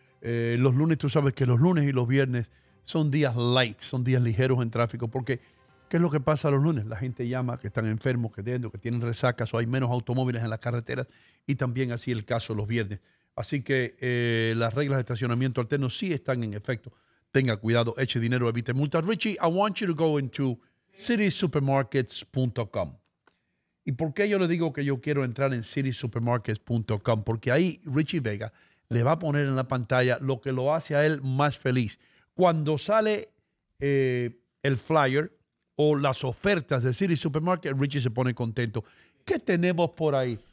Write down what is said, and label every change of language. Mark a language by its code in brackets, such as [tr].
[es] Los lunes, tú sabes que los lunes y los viernes son días light, son días ligeros en tráfico, porque ¿qué es lo que pasa los lunes? La gente llama que están enfermos, que tienen resacas, o hay menos automóviles en las carreteras, y también así el caso los viernes. Así que las reglas de estacionamiento alterno sí están en efecto. Tenga cuidado, eche dinero, evite multas. [en] Richie, I want you to go into citysupermarkets.com. [es] ¿Y por qué yo le digo que yo quiero entrar en citysupermarkets.com? Porque ahí Richie Vega le va a poner en la pantalla lo que lo hace a él más feliz. Cuando sale el flyer o las ofertas de City Supermarket, Richie se pone contento. ¿Qué tenemos por ahí?